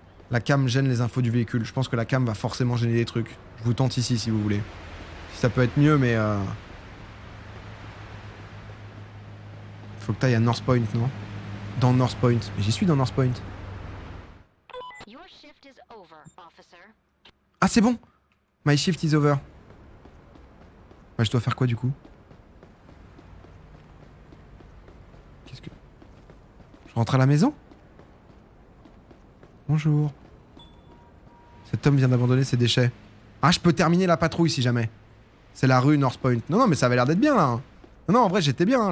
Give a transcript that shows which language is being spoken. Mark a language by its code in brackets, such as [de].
[fr] La cam gêne les infos du véhicule. Je pense que la cam va forcément gêner des trucs. Je vous tente ici, si vous voulez. Si ça peut être mieux, mais... Faut que t'ailles à North Point, non? Dans North Point. Mais j'y suis, dans North Point. [en] Your shift is over, officer. [fr] Ah, c'est bon! [en] My shift is over. [fr] Bah, je dois faire quoi, du coup? Qu'est-ce que... Je rentre à la maison? Bonjour. Cet homme vient d'abandonner ses déchets. Ah, je peux terminer la patrouille, si jamais. C'est la rue North Point. Non, non, mais ça avait l'air d'être bien, là. Hein. Non, non, en vrai, j'étais bien. Hein.